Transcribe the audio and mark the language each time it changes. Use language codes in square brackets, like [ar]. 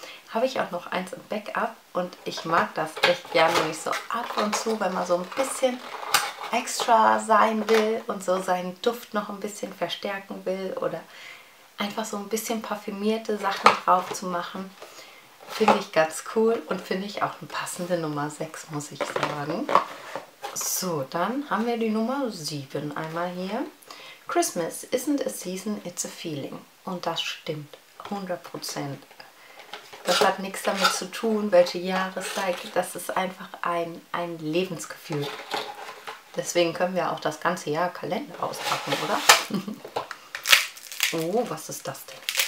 [de] Habe ich auch noch eins im Backup und ich mag das echt gerne, wenn ich so ab und zu, wenn man so ein bisschen extra sein will und so seinen Duft noch ein bisschen verstärken will oder einfach so ein bisschen parfümierte Sachen drauf zu machen, finde ich ganz cool und finde ich auch eine passende Nummer 6, muss ich sagen. So, dann haben wir die Nummer 7 einmal hier. [en] Christmas isn't a season, it's a feeling. [de] Und das stimmt, 100%. Das hat nichts damit zu tun, welche Jahreszeit, das ist einfach ein Lebensgefühl. Deswegen können wir auch das ganze Jahr Kalender auspacken, oder? Oh, was ist das denn?